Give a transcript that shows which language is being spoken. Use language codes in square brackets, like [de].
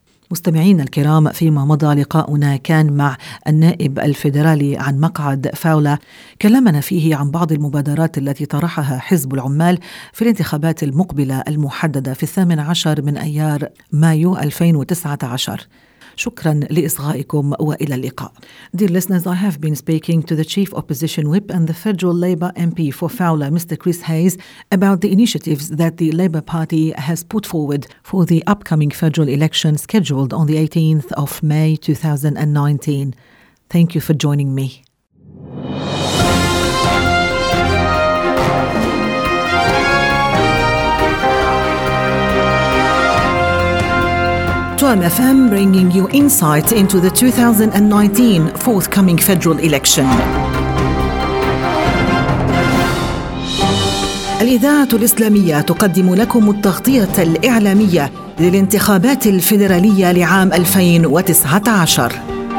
[ar] مستمعين الكرام فيما مضى لقاؤنا كان مع النائب الفيدرالي عن مقعد فاولا كلمنا فيه عن بعض المبادرات التي طرحها حزب العمال في الانتخابات المقبلة المحددة في 18 من أيار مايو 2019 شكرا لإصغائكم وإلى اللقاء [en] Dear listeners, I have been speaking to the Chief Opposition Whip and the Federal Labour MP for Fowler, Mr. Chris Hayes, about the initiatives that the Labour Party has put forward for the upcoming federal election scheduled on the 18th of May 2019. Thank you for joining me. Term FM bringing you insight into the 2019 forthcoming federal election. [ar] الإذاعة الإسلامية تقدم لكم التغطية الإعلامية للانتخابات الفيدرالية لعام 2019.